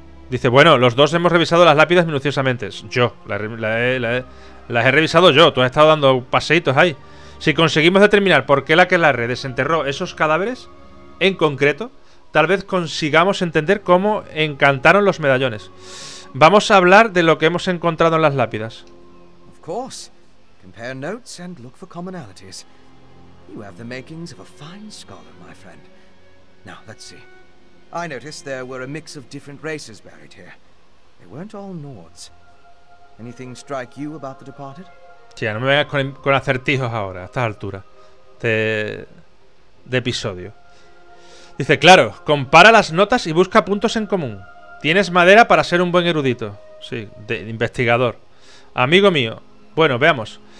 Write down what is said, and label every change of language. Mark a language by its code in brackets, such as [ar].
[es] Dice, bueno, los dos hemos revisado las lápidas minuciosamente. Yo, las he revisado yo. Tú has estado dando paseitos ahí. Si conseguimos determinar por qué la Kelarre desenterró esos cadáveres en concreto, tal vez consigamos entender cómo encantaron los medallones. Vamos a hablar de lo que hemos encontrado en las lápidas. [en] Compare notes and look for commonalities. You have the makings of a fine scholar, my friend. Now, let's see. I noticed there were a mix of different races buried here. They weren't all Nords. Anything strike you about the departed? [es] Tía, no me vengas con acertijos ahora, a esta altura de episodio. Dice, claro, compara las notas y busca puntos en común. Tienes madera para ser un buen erudito. Sí, de investigador. Amigo mío, bueno, veamos.